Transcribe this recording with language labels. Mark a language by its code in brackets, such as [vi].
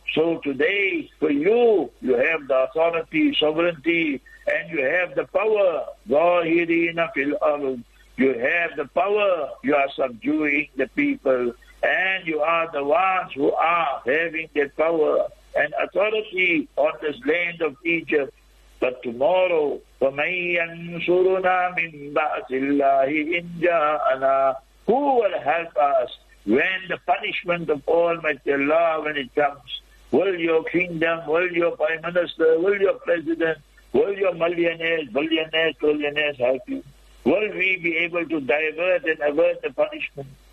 [en] So today, for you, you have the authority, sovereignty, and you have the power. [ar] Zahirina fil arud. [en] You have the power, you are subduing the people, and you are the ones who are having the power and authority on this land of Egypt. But tomorrow, [ar] فَمَنْ يَنْصُرُنَا مِنْ بَعْثِ اللَّهِ إِنْ جَاءَنَا. [en] Who will help us when the punishment of Almighty Allah, when it comes? Will your kingdom, will your prime minister, will your president, will your millionaires help you? Will we be able to divert and avert the punishment?